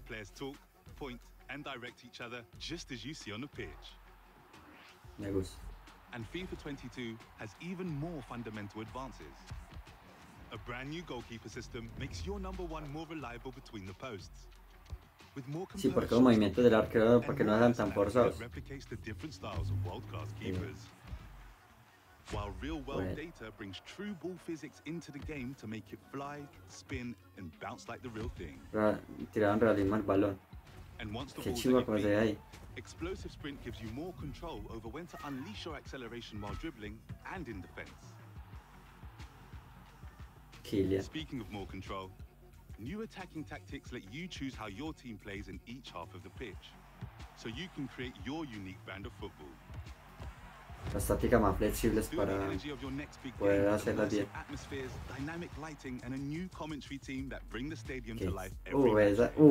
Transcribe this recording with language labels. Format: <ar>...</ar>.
<en>Players talk, point, and direct each other just as you see on the pitch.</en> <es>Me gusta.</es> <en>And FIFA 22 has even more fundamental advances. A brand new goalkeeper system makes your number one more reliable between the posts.</en> <es>Sí, porque los movimientos del arquero, porque no eran tan forzados.</es> <en>Replicates the different styles of world-class keepers. While real world data brings true ball physics into the game to make it fly, spin and bounce like the real thing.</en> <es>Tiraron realismo al balón. Qué chivo como se ve ahí.</es> <en>Explosive sprint gives you more control over when to unleash your acceleration while dribbling and in defense. Kylian. Speaking of more control, new attacking tactics let you choose how your team plays in each half of the pitch, so you can create your unique brand of football.</en> <es>Las tácticas más flexibles para poder hacerlas bien.</es> <en>Dynamic lighting and a new commentary team that bring the stadium to life every day.</en>